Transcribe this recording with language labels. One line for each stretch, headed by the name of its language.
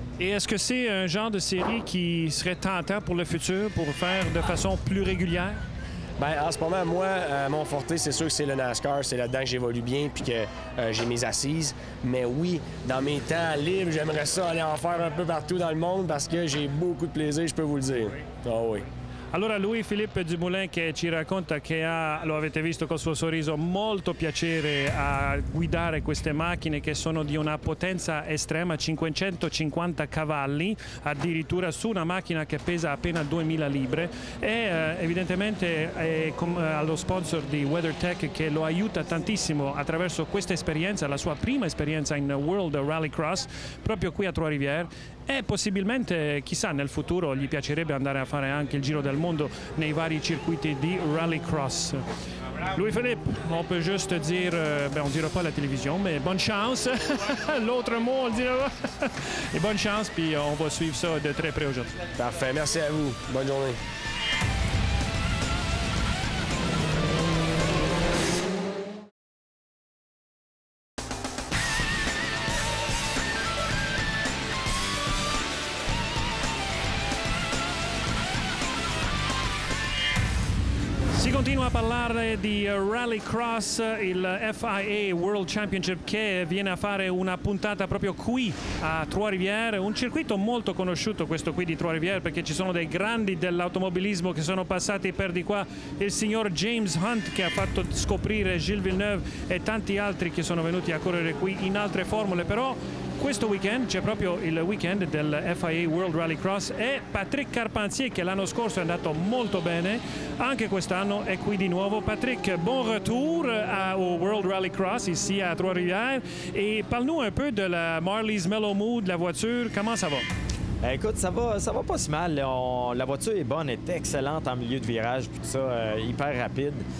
French: Et est-ce que c'est un genre de série qui serait tentant pour le futur, pour faire de façon plus régulière? Bien, en ce moment, moi, mon forté, c'est sûr que c'est le NASCAR. C'est là-dedans que j'évolue bien puis que j'ai mes assises. Mais oui, dans mes temps libres, j'aimerais ça aller en faire un peu partout dans le monde parce que j'ai beaucoup de plaisir, je peux vous le dire. Ah oui.
Italian: Allora, Louis-Philippe Dumoulin che ci racconta che ha, lo avete visto col suo sorriso, molto piacere a guidare queste macchine che sono di una potenza estrema, 550 cavalli, addirittura su una macchina che pesa appena 2000 libbre. E evidentemente è allo sponsor di WeatherTech che lo aiuta tantissimo attraverso questa esperienza, la sua prima esperienza in World Rallycross, proprio qui a Trois-Rivières. E possibilmente, chissà, nel futuro gli piacerebbe andare a fare anche il giro del mondo nei vari circuiti di rallycross.
French: Louis-Philippe, on peut juste dire, on dira pas à la télévision, mais bonne chance. L'autre mot, on dira pas. Et bonne chance, puis on va suivre ça de très près aujourd'hui. Parfait, merci à vous. Bonne journée.
Italian: A parlare di Rallycross, il FIA World Championship che viene a fare una puntata proprio qui a Trois-Rivières, un circuito molto conosciuto questo qui di Trois-Rivières perché ci sono dei grandi dell'automobilismo che sono passati per di qua, il signor James Hunt che ha fatto scoprire Gilles Villeneuve e tanti altri che sono venuti a correre qui in altre formule. Però questo weekend, c'è proprio il weekend del FIA World Rallycross e Patrick Carpentier, che l'anno scorso è andato molto bene, anche quest'anno è qui di nuovo.
French: Patrick, bon retour au World Rallycross ici à Trois-Rivières et parle-nous un peu de la Marley's Mellow Mood, la voiture, comment ça va? Écoute, ça va pas si mal. La voiture est bonne, est excellente en milieu de virage, puis tout ça, hyper rapide.